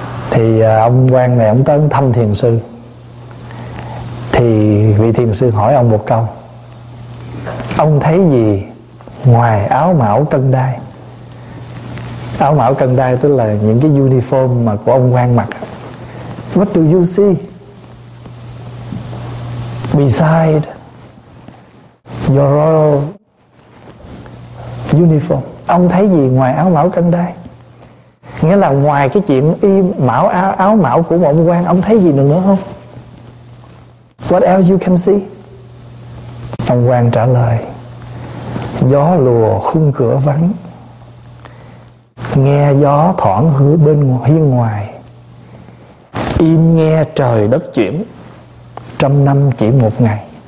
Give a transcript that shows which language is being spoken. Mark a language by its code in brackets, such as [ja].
[vi] Thì ông quan này ông tới thăm thiền sư. Thì vị thiền sư hỏi ông một câu: ông thấy gì ngoài áo mão cân đai? Áo mão cân đai tức là những cái uniform mà của ông quan mặc. [en] What do you see beside your royal uniform? [vi] Ông thấy gì ngoài áo mão cân đai? Nghĩa là ngoài cái chuyện im mão áo mão của một quan, ông thấy gì nữa không? [en] What else you can see? [vi] Ông quan trả lời: gió lùa khung cửa vắng, nghe gió thoảng hứa bên hiên ngoài, im nghe trời đất chuyển, trăm năm chỉ một ngày.